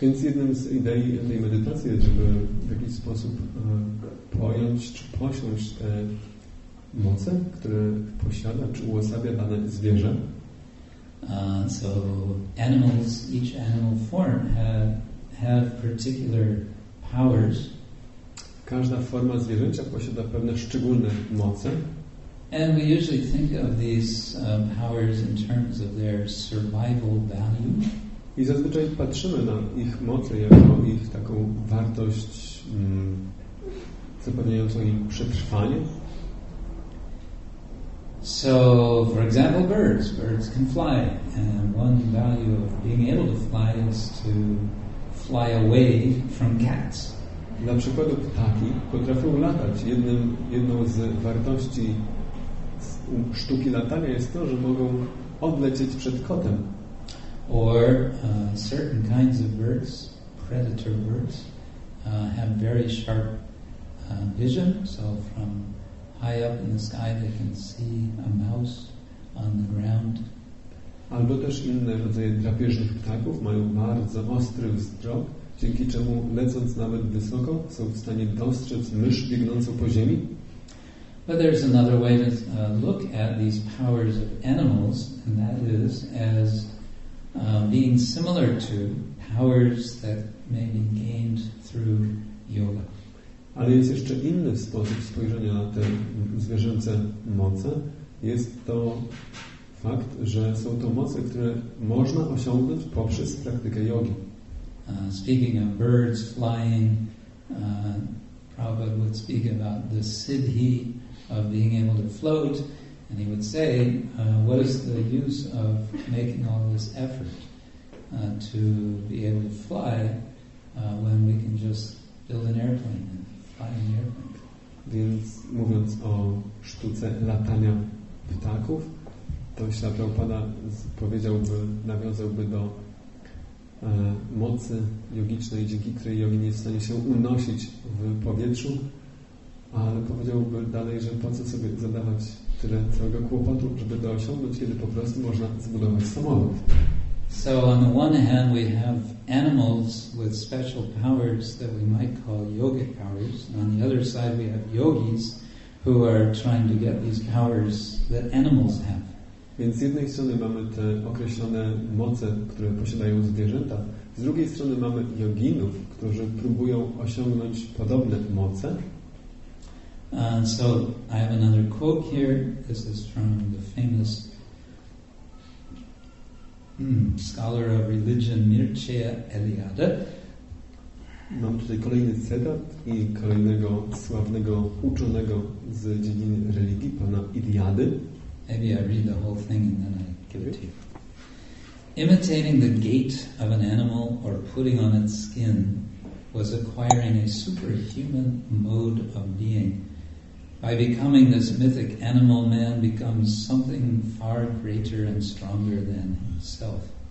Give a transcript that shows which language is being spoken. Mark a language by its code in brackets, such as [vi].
[pl] Więc jednym z idei tej medytacji jest, żeby w jakiś sposób pojąć czy posiąść te moce, które posiada czy uosabia dane zwierzę. [en] So animals, each animal form have particular powers. [pl] Każda forma zwierzęcia posiada pewne szczególne moce. [en] And we usually think of these powers in terms of their survival value. [pl] I zazwyczaj patrzymy na ich moce jako ich taką wartość zapewniającą im przetrwanie. [en] So, for example, birds can fly, and one value of being able to fly is to fly away from cats. [pl] Na przykład ptaki potrafią latać. Jedną z wartości sztuki latania jest to, że mogą odlecieć przed kotem. [en] Or certain kinds of birds, predator birds, have very sharp vision. So from high up in the sky they can see a mouse on the ground. [pl] Albo też inne rodzaje drapieżnych ptaków mają bardzo ostry wzrok, dzięki czemu lecąc nawet wysoko są w stanie dostrzec mysz biegnącą po ziemi. [en] But there's another way to look at these powers of animals, and that is as being similar to powers that may be gained through yoga. [pl] Ale jest jeszcze inny sposób spojrzenia na te zwierzęce moce. Jest to fakt, że są to moce, które można osiągnąć poprzez praktykę jogi. [en] Speaking of birds flying, Prabhupada would speak about the siddhi of being able to float, and he would say, what is the use of making all this effort to be able to fly when we can just build an airplane and fly an airplane? [pl] Więc mówiąc o sztuce latania ptaków, to Śla Prabhupada powiedziałby, nawiązałby do mocy jogicznej, dzięki której jogin jest w stanie się unosić w powietrzu, Ale powiedziałby dalej, że po co sobie zadawać tyle całego kłopotu, żeby to osiągnąć, kiedy po prostu można zbudować samolot. [en] So on the one hand we have animals with special powers that we might call yogic powers, and on the other side we have yogis who are trying to get these powers that animals have. [pl] Więc z jednej strony mamy te określone moce, które posiadają zwierzęta, z drugiej strony mamy joginów, którzy próbują osiągnąć podobne moce. [en] So I have another quote here. This is from the famous scholar of religion Mircea Eliade. [pl] Mam tutaj kolejny cytat i kolejnego sławnego uczonego z dziedziny religii, pana Eliady. [en] Maybe I read the whole thing and then I give it to you. Imitating the gait of an animal or putting on its skin was acquiring a superhuman mode of being. By becoming this mythic animal, man becomes something far greater and stronger than himself.